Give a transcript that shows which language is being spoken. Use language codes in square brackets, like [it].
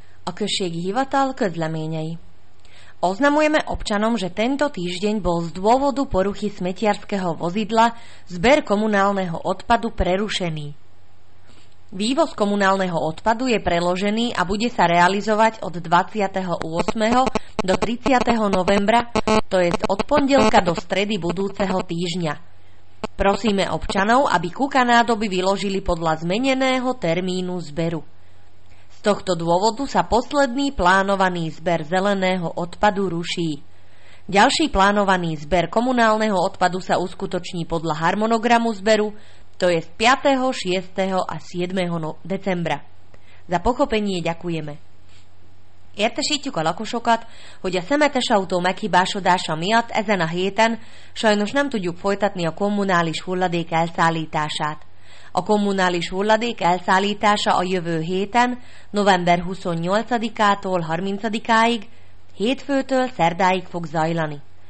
[hu] Okresiek Hivatal, Közleményei. [sk] Oznamujeme občanom, že tento týždeň bol z dôvodu poruchy smetiarskeho vozidla zber komunálneho odpadu prerušený. Vývoz komunálneho odpadu je preložený a bude sa realizovať od 28. do 30. novembra, to je od pondelka do stredy budúceho týždňa. Prosíme občanov, aby kuka nádoby vyložili podľa zmeneného termínu zberu. Z tohto dôvodu sa posledný plánovaný zber zeleného odpadu ruší. Ďalší plánovaný zber komunálneho odpadu sa uskutoční podľa harmonogramu zberu, to je 5., 6. a 7. decembra. Za pochopenie ďakujeme. [hu] Értesítjük a lakosokat, hogy a szemetes autó meghibásodása miatt ezen a héten sajnos nem tudjuk folytatni a kommunális hulladék elszállítását. A kommunális hulladék elszállítása a jövő héten, november 28-tól 30-áig, hétfőtől szerdáig fog zajlani.